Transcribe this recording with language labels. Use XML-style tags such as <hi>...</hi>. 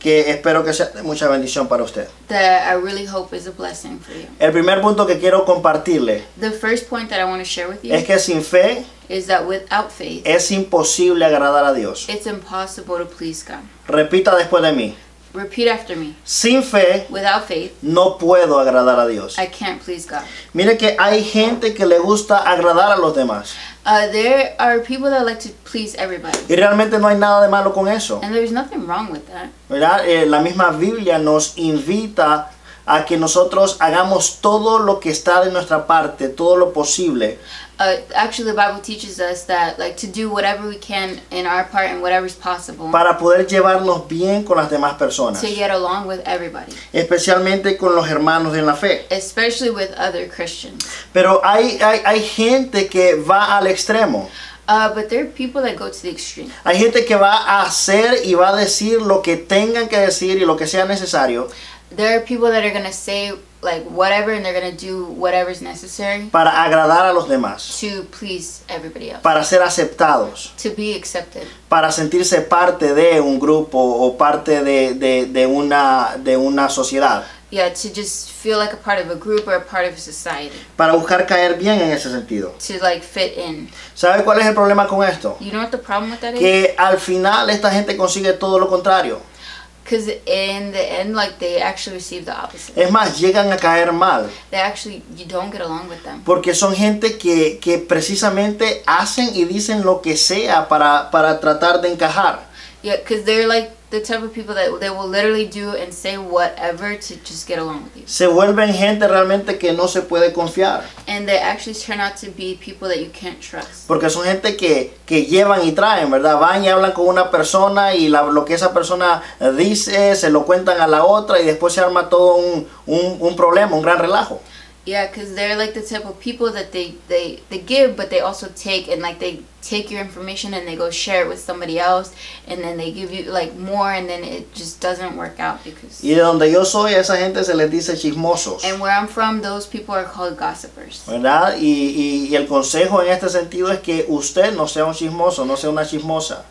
<es>Que espero que sea de mucha bendición para usted.</es> <en>That I really hope is a blessing for you.</en> <es>El primer punto que quiero compartirle.</es> <en>The first point that I want to share with you.</en> <es>Es que sin fe.</es> <en>Is that without faith.</en> <es>Es imposible agradar a Dios.</es> <en>It's impossible to please God.</en> <es>Repita después de mí.</es> <en>Repeat after me.</en> <es>Sin fe,</es> <en>without faith,</en> <es>no puedo agradar a Dios.</es> <en>I can't please God.</en> <es>Mire que hay gente que le gusta agradar a los demás.</es> <en>There are people that like to please everybody.</en> <es>Y realmente no hay nada de malo con eso.</es> <en>And there's nothing wrong with that.</en> <es>¿Verdad? La misma Biblia nos invita a que nosotros hagamos todo lo que está de nuestra parte, todo lo posible.</es> <en>Actually, the Bible teaches us that, like, to do whatever we can in our part and whatever is possible.</en> <es>Para poder llevarnos bien con las demás personas.</es> <en>To get along with everybody.</en> <es>Especialmente con los hermanos en la fe.</es> <en>Especially with other Christians.</en> <es>Pero hay gente que va al extremo.</es> <en>But there are people that go to the extreme.</en> <es>Hay gente que va a hacer y va a decir lo que tengan que decir y lo que sea necesario.</es> <en>There are people that are going to say like whatever and they're going to do whatever is necessary</en> <es>para agradar a los demás,</es> <en>to please everybody else,</en> <es>para ser aceptados,</es> <en>to be accepted,</en> <es>para sentirse parte de un grupo o parte de una sociedad.</es> <en>Yeah, to just feel like a part of a group or a part of a society.</en> <es>Para buscar caer bien en ese sentido.</es> <en>To like fit in.</en> <es>¿Sabe cuál es el problema con esto?</es> <en>You know what the problem with that</en> <es>que</es> <en>is?</en> <es>Que al final esta gente consigue todo lo contrario.</es> <en>Because in the end, like, they actually receive the opposite.</en> <es>Es más, llegan a caer mal.</es> <en>They actually, you don't get along with them.</en> <es>Porque son gente que precisamente hacen y dicen lo que sea para tratar de encajar.</es> <en>Yeah, because they're like the type of people that they will literally do and say whatever to just get along with you.</en> <es>Se vuelven gente realmente que no se puede confiar.</es> <en>And they actually turn out to be people that you can't trust.</en> <es>Porque son gente que llevan y traen, ¿verdad? Van y hablan con una persona y lo que esa persona dice se lo cuentan a la otra y después se arma todo un problema, un gran relajo.</es> <en>Yeah, because they're like the type of people that they give, but they also take, and like they take your information and they go share it with somebody else, and then they give you like more, and then it just doesn't work out because.</en> <es>Y de donde yo soy, esa gente se les dice chismosos.</es> <en>And where I'm from, those people are called gossipers.</en> <es>¿Verdad? Y el consejo en este sentido es que usted no sea un chismoso, no sea una chismosa.</es>